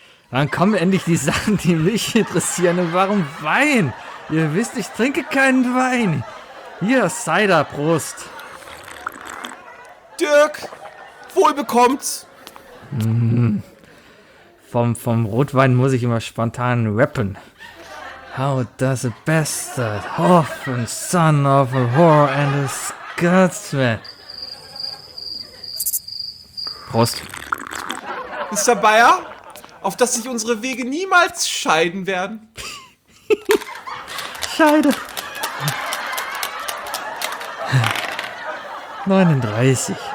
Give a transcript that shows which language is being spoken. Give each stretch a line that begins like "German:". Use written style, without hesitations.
German: Wann kommen endlich die Sachen, die mich interessieren? Und warum Wein? Ihr wisst, ich trinke keinen Wein. Hier, Cider, Prost. Dirk, wohl bekommt's. Vom Rotwein muss ich immer spontan rappen.
English: How does a bastard, orphan son of a whore and a Scotsman.
German: Prost. Mr. Bayer, auf dass sich unsere Wege niemals scheiden werden. Scheide. 39.